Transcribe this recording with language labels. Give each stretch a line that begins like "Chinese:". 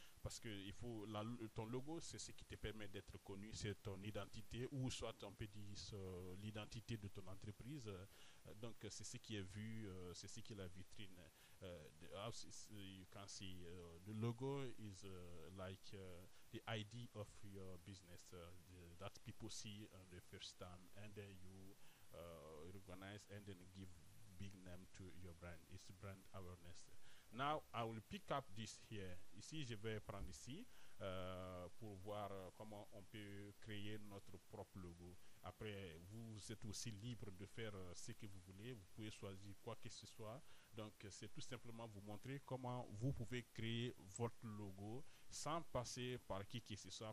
French: Parce que il faut ton logo, c'est ce qui te permet d'être connu, c'est ton identité, ou soit on peut dire l'identité de ton entreprise. Donc c'est ce qui est vu, c'est ce qui est la vitrine.
English: The house is, you can see the logo is like the ID of your business that people see on the first time, and then you recognize and then give big name to your brand. It's brand awareness. Now I will pick up this here.
French: Ici, je vais prendre ici pour voir comment on peut créer notre propre logo. Après, vous êtes aussi libre de faire ce que vous voulez. Vous pouvez choisir quoi que ce soit. Donc, c'est tout simplement vous montrer comment vous pouvez créer votre logo sans passer par qui que ce soit.